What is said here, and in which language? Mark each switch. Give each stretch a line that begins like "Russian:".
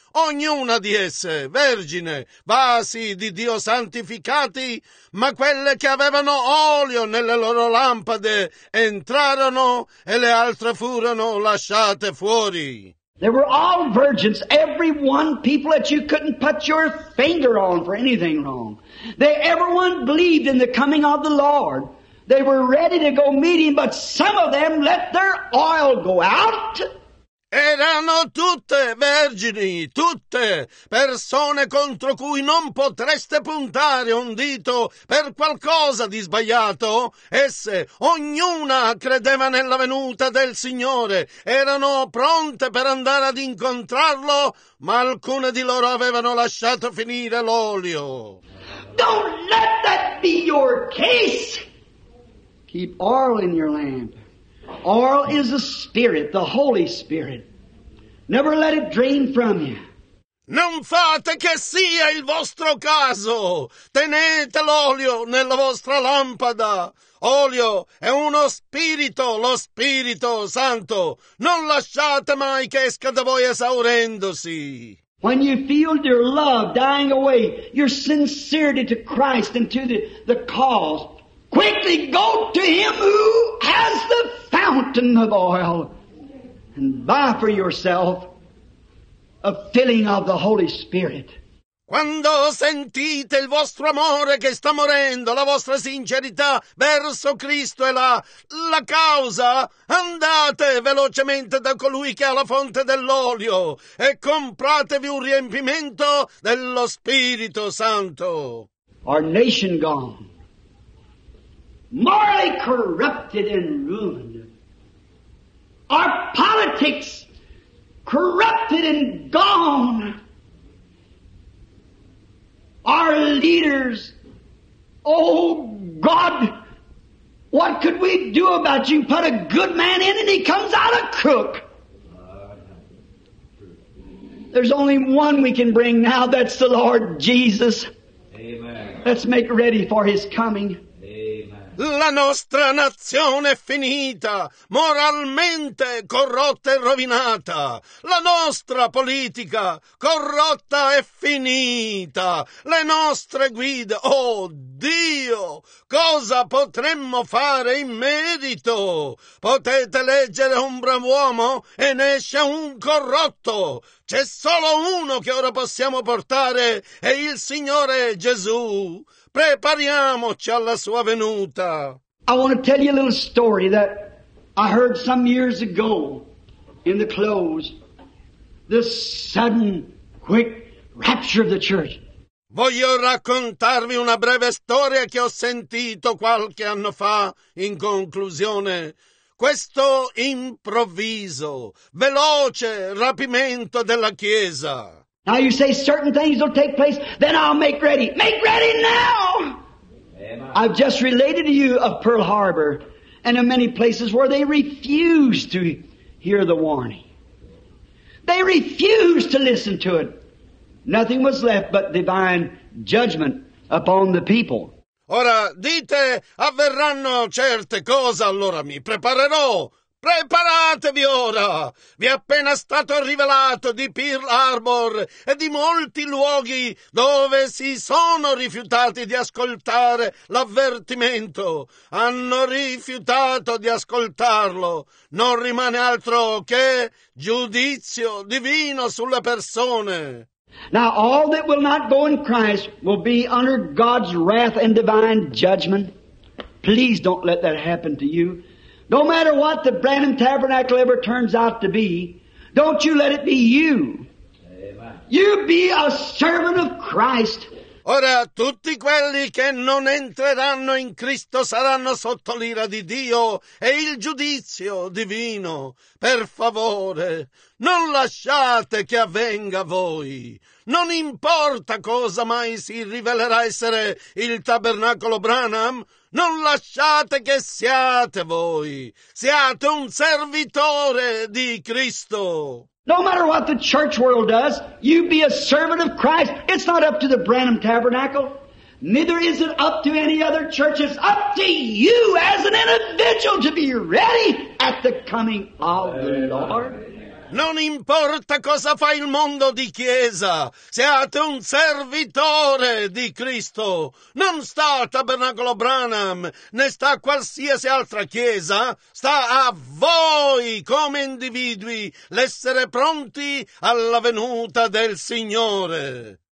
Italian: Ognuna di esse, vergine, vasi di Dio santificati, ma quelle che avevano olio nelle loro lampade entrarono e le altre furono lasciate fuori.
English: They were all virgins, every one people that you couldn't put your finger on for anything wrong. They, everyone believed in the coming of the Lord. They were ready to go meet him, but some of them let their oil go out.
Italian: Erano tutte vergini, tutte persone contro cui non potreste puntare un dito per qualcosa di sbagliato. Esse, ognuna credeva nella venuta del Signore, erano pronte per andare ad incontrarlo, ma alcune di loro avevano lasciato finire l'olio.
English: Don't let that be your case. Keep oil in your lamp. Oil is the Spirit, the Holy Spirit. Never let it drain from you.
Italian: Non fate che sia il vostro caso. Tenete l'olio nella vostra lampada. Olio è uno spirito, lo Spirito Santo. Non lasciate mai che esca da voi esaurendosi.
English: When you feel your love dying away, your sincerity to Christ and to the cause, quickly go to him who has the fountain of oil and buy for yourself a filling of the Holy Spirit.
Italian: Quando sentite il vostro amore che sta morendo, la vostra sincerità verso Cristo è la causa, andate velocemente da colui che ha la fonte dell'olio e compratevi un riempimento dello Spirito Santo.
English: Our nation gone. Morally corrupted and ruined. Our politics corrupted and gone. Our leaders, oh God, what could we do about you? Put a good man in and he comes out a crook. There's only one we can bring now, that's the Lord Jesus. Amen. Let's make ready for his coming.
Italian: La nostra nazione è finita, moralmente corrotta e rovinata. La nostra politica corrotta e finita. Le nostre guide, oh Dio, cosa potremmo fare in merito? Potete leggere un bravo uomo e ne esce un corrotto. C'è solo uno che ora possiamo portare, è il Signore Gesù. Prepariamoci alla sua venuta.
English: I want to tell you a little story that I heard some years ago in the close. This sudden, quick rapture of the church.
Italian: Voglio raccontarvi una breve storia che ho sentito qualche anno fa in conclusione. Questo improvviso, veloce rapimento della Chiesa.
English: Now you say certain things will take place, then I'll make ready. Make ready now! Amen. I've just related to you of Pearl Harbor and of many places where they refused to hear the warning. They refused to listen to it. Nothing was left but divine judgment upon the people.
Italian: Ora dite, avverranno certe cose, allora mi preparerò. Preparatevi ora! Vi è appena stato rivelato di Pearl Harbor e di molti luoghi dove si sono rifiutati di ascoltare l'avvertimento. Hanno rifiutato di ascoltarlo. Non rimane altro che giudizio divino sulle persone.
English: Now all that will not go in Christ will be under God's wrath and divine judgment. Please don't let that happen to you. No matter what the Branham Tabernacle ever turns out to be, don't you let it be you. Amen. You be a servant of Christ.
Italian: Ora, tutti quelli che non entreranno in Cristo saranno sotto l'ira di Dio e il giudizio divino. Per favore, non lasciate che avvenga a voi. Non importa cosa mai si rivelerà essere il tabernacolo Branham, non lasciate che siate voi. Siate un servitore di Cristo.
English: No matter what the church world does, you be a servant of Christ. It's not up to the Branham Tabernacle. Neither is it up to any other church. It's up to you as an individual to be ready at the coming of the Lord.
Italian: Non importa cosa fa il mondo di chiesa, siate un servitore di Cristo. Non sta al tabernacolo Branham, né sta a qualsiasi altra chiesa, sta a voi come individui l'essere pronti alla venuta del Signore.